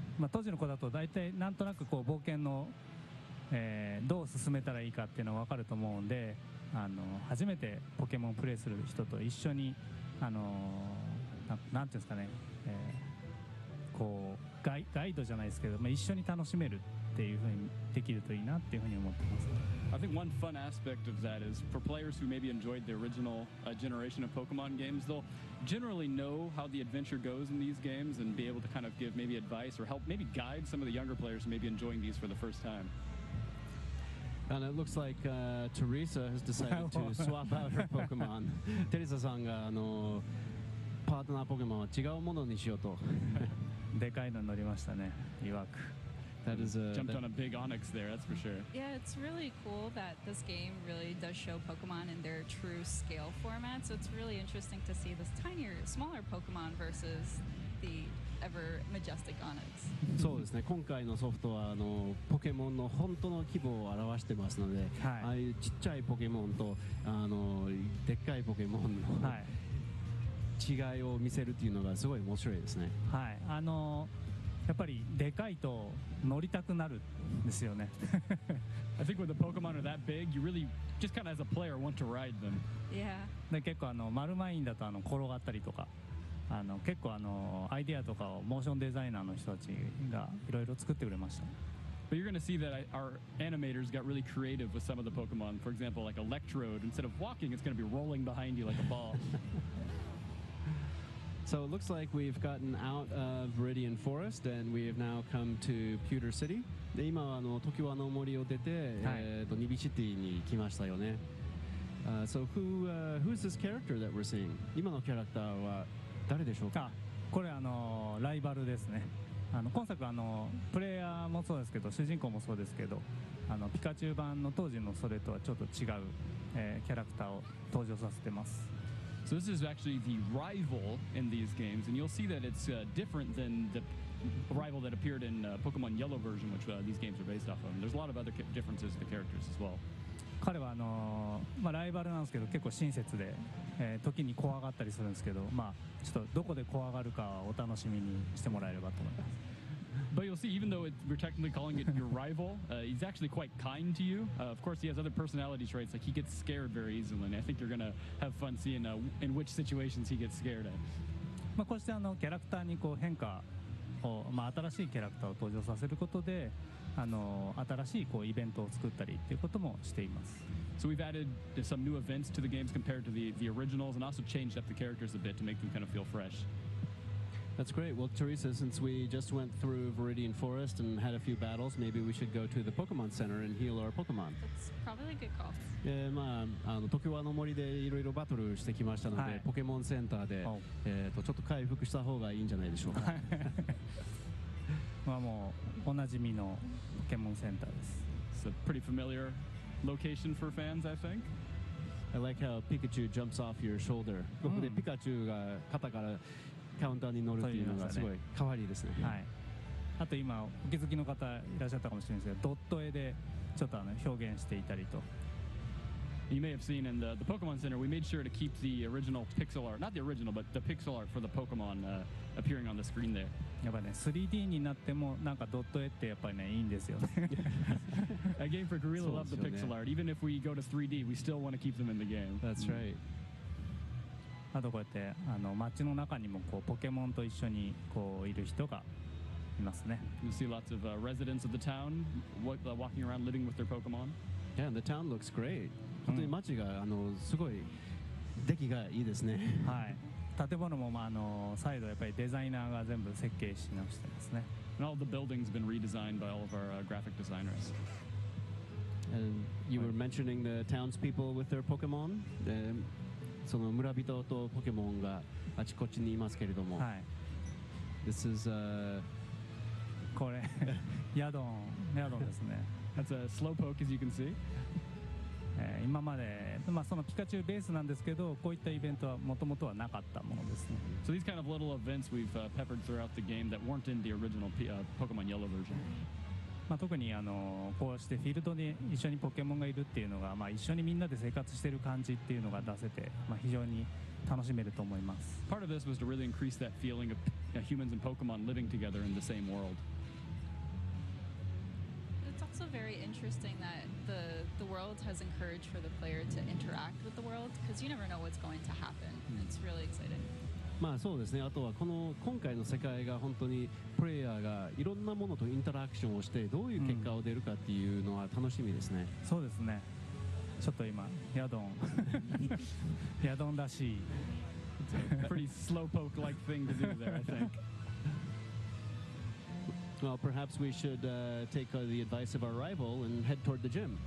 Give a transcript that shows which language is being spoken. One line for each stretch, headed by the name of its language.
Japanese: 当時の子だと大体なんとなくこう冒険の、どう進めたらいいかっていうのは分かると思うんで、初めてポケモンをプレイする人と一緒に、なんていうんですかね、こうガイドじゃないですけど、一緒に楽しめるっていうふうにできるといいなっていうふうに思ってます。
English: I think one fun aspect of that is for players who maybe enjoyed the original generation of Pokemon games, they'll generally know how the adventure goes in these games and be able to kind of give maybe advice or help maybe guide some of the younger players who may be enjoying these for the first time. And it looks like Teresa has decided to swap out her Pokemon.
Japanese: Teresa-san がパートナーポケモンは違うものにしようと。でかいの乗りましたね、いわく。
English: Jumped on a big Onyx there, that's for sure. Yeah, it's really cool that this game really does show Pokemon in their true scale format. So it's really interesting to see this tinier, smaller Pokemon versus the ever majestic Onyx.
Japanese: そうですね。今回のソフトはポケモンの本当の規模を表してますので、ああいうちっちゃいポケモンとでっかいポケモンの違いを見せるっていうのがすごい面白いですね。はい。やっぱりでかいと乗りたくなるんですよね。
English: I think when the Pokemon are that big, you really just kind of as a player want to ride them. Yeah.
Japanese: で結構マルマインだと転がったりとか、結構アイデアとかをモーションデザイナーの人たちがいろいろ作ってくれました。
English: But you're going to see that our animators got really creative with some of the Pokemon. For example, like Electrode, instead of walking, it's going to be rolling behind you like a ball. So it looks like we've gotten out of Viridian Forest and we have now come to Pewter City.
Japanese: で今はTokiwa の森を出て、Nibi City に来ましたよね。
English: So who is this character that we're seeing?
Japanese: 今のキャラクターは誰でしょうか？これライバルですね。今作プレイヤーもそうですけど、主人公もそうですけど、ピカチュウ版の当時のそれとはちょっと違う、キャラクターを登場させてます。
English: So this is actually the rival in these games, and you'll see that it's different than the rival that appeared in Pokemon Yellow version, which these games are based off of. There's a lot of other differences in the characters as well.
Japanese: 彼はライバルなんですけど、結構親切で、時に怖がったりするんですけど、ちょっとどこで怖がるかお楽しみにしてもらえればと思います。
English: But you'll see, even though we're technically calling it your rival, he's actually quite kind to you. Of course, he has other personality traits, like he gets scared very easily. And I think you're going to have fun seeing in which situations he gets scared at.
Japanese: まあ、こうしてあのキャラクターにこう変化を、まあ、新しいキャラクターを登場させることで、あの新しいこうイベントを作ったりということもしています。
English: So we've added some new events to the games compared to the originals and also changed up the characters a bit to make them kind of feel fresh. That's great. Well, Teresa, since we just went through Viridian Forest and had a few battles, maybe we should go to the Pokemon Center and heal our Pokemon. That's probably a good call.
Japanese: ええー、まああの東京の森でいろいろバトルしてきましたので、はい、ポケモンセンターで、oh. ちょっと回復した方がいいんじゃないでしょうか。まあもうおなじみのポケモンセンターです。
English: It's a pretty familiar location for fans, I think. I like how Pikachu jumps off your shoulder.
Japanese: ここでピカチュウが肩からカウンターに乗るっていうのがすごい可愛いですね。はい。あと今お気づきの方いらっしゃったかもしれないですけど、ドット絵でちょっとあの表現していたりと。
English: You may have seen in the Pokemon Center, we made sure to keep the original pixel art, not the original, but the pixel art for the Pokemon appearing on the screen there.
Japanese: やっぱりね、3D になってもなんかドット絵ってやっぱりね、いいんですよね。
English: A game for Gorilla loves the pixel art. Even if we go to 3D, we still want to keep them in the game. That's right.
Japanese: あとこうやってあの街の中にもこうポケモンと一緒にこういる人がいますね。
English: You see lots of residents of the town walking around living with their Pokemon. Yeah, and the town looks great.
Japanese: 本当に街が、うん、あのすごい出来がいいですね。はい、建物も、まあ、あの再度やっぱりデザイナーが全部設計し直してますね。
English: And all the buildings have been redesigned by all of our graphic designers. And you were mentioning the townspeople with their Pokemon.
Japanese: で、その村人とポケモンがあちこちにいますけれども。はい。
English: This is
Japanese: これヤドン、ヤドンですね。
English: That's a slow poke as you can see.
Japanese: 今まで、まあ、そのピカチュウベースなんですけど、こういったイベントはもともとはなかったものですね。
English: So these kind of little events we've peppered throughout the game that weren't in the original Pokemon Yellow version.
Japanese: まあ特にあのこうしてフィールドに一緒にポケモンがいるっていうのが、まあ、一緒にみんなで生活している感じっていうのが出せて、まあ、非常に楽しめると思います。
English: Part of this was to really increase that feeling of humans and Pokemon living together in the same world. It's also very interesting that the world has encouraged for the player to interact with the world because you never know what's going to happen. It's really exciting.
Japanese: まあそうですね。あとはこの今回の世界が本当にプレイヤーがいろんなものとインタラクションをしてどういう結果を出るかっていうのは楽しみですね。そうですね。ちょっと今ヤドン、ヤドンらしい、
English: pretty slow poke like thing to do there, I think. Well, perhaps we should take the advice of our rival and head toward the gym.